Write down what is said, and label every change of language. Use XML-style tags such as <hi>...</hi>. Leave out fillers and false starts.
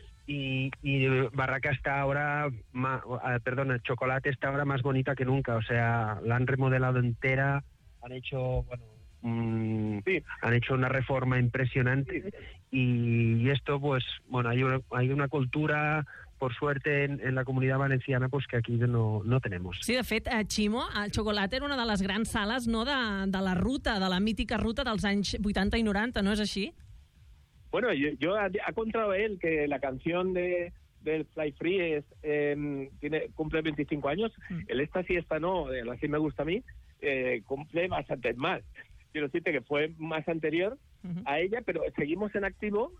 <es>Y Barraca está ahora más, perdona, Chocolate está ahora más bonita que nunca, o sea, la han remodelado entera, han hecho, bueno, han hecho una reforma impresionante, y esto, pues, bueno, hay una cultura, por suerte, en la comunidad valenciana, pues que aquí no tenemos.</es> <ca>Sí, de fet, Chimo, el Chocolate era una de les grans sales, no, de la ruta, de la mítica ruta dels anys 80 i 90, no és així?</ca> <es>Bueno, yo ha contado él que la canción del Fly Free cumple 25 años. El Esta Sí, Esta No, el Así Me Gusta a Mí, cumple bastante más. Quiero decirte que fue más anterior a ella, pero seguimos en activo.</es>